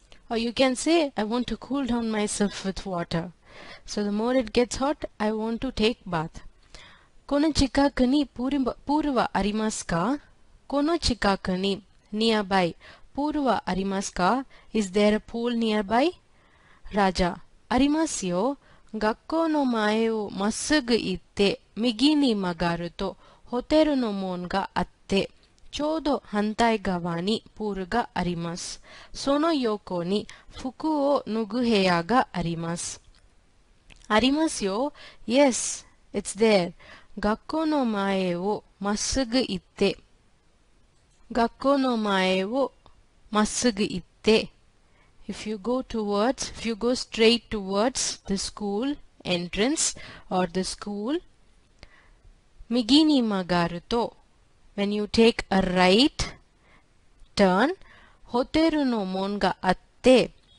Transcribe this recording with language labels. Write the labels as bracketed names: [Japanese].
[English] Or you can say, I want to cool down myself with water. So the more it gets hot, I want to take bath. [Japanese] この近くにプールはありますか? この近くに nearby プールはありますか? [English] Is there a pool nearby? [Japanese] Raja, ありますよ。学校の前をまっすぐ行って右に曲がるとホテルの門があってちょうど反対側にプールがあります。その横に服を脱ぐ部屋があります。ありますよ。 [English] Yes, it's there. [Japanese] 学校の前をまっすぐ行って、学校の前をまっすぐ行って、 [English] If you go towards, if you go straight towards the school entrance or the school, [Japanese] 右に曲がると、 [English] When you take a right turn, [Japanese] ホテルの門があって、